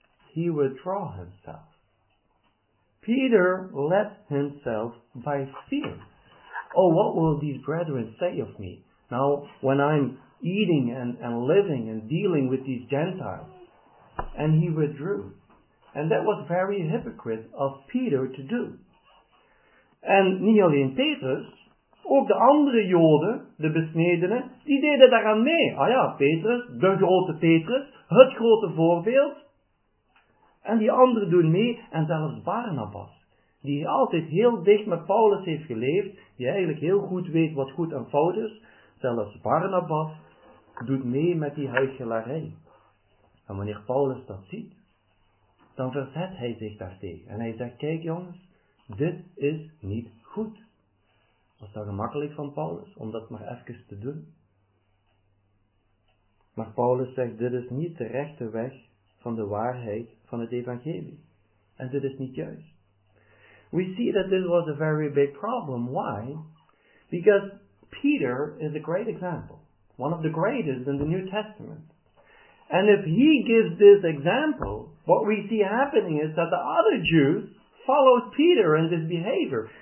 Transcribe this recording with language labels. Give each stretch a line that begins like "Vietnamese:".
English: He withdrew himself. Peter let himself by fear. Oh, what will these brethren say of me? Now, when I'm eating and living and dealing with these Gentiles. And he withdrew. And that was very hypocrite of Peter to do.
Dutch: En niet alleen Petrus, ook de andere Joden, de besnedenen, die deden daaraan mee. Ah ja, Petrus, de grote Petrus, het grote voorbeeld. En die anderen doen mee, en zelfs Barnabas, die altijd heel dicht met Paulus heeft geleefd, die eigenlijk heel goed weet wat goed en fout is, zelfs Barnabas doet mee met die huichelarij. En wanneer Paulus dat ziet, dan verzet hij zich daartegen. En hij zegt, kijk jongens, dit is niet goed. Was dat gemakkelijk van Paulus om dat maar even te doen? Maar Paulus zegt, dit is niet de rechte weg van de waarheid van het evangelie. En dit is niet juist.
English: We see that this was a very big problem. Why? Because Peter is a great example. One of the greatest in the New Testament. And if he gives this example, what we see happening is that the other Jews followed Peter in this behavior.